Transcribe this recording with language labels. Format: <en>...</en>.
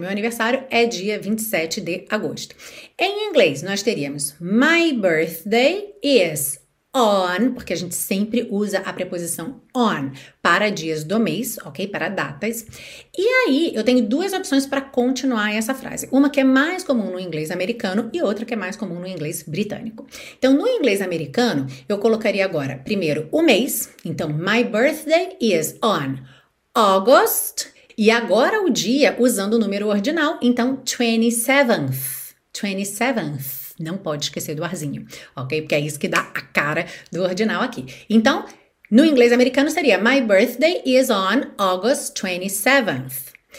<pt>Meu aniversário é dia 27 de agosto. Em inglês, nós teríamos</pt> <en>My birthday is on,</en> <pt>porque a gente sempre usa a preposição on para dias do mês, ok? Para datas. E aí, eu tenho duas opções para continuar essa frase. Uma que é mais comum no inglês americano e outra que é mais comum no inglês britânico. Então, no inglês americano, eu colocaria agora, primeiro, o mês. Então,</pt> <en>my birthday is on August.</en> <pt>E agora o dia, usando o número ordinal, então, 27th. 27th. Não pode esquecer do arzinho, ok? Porque é isso que dá a cara do ordinal aqui. Então, no inglês americano seria</pt> <en>My birthday is on August 27th.</en>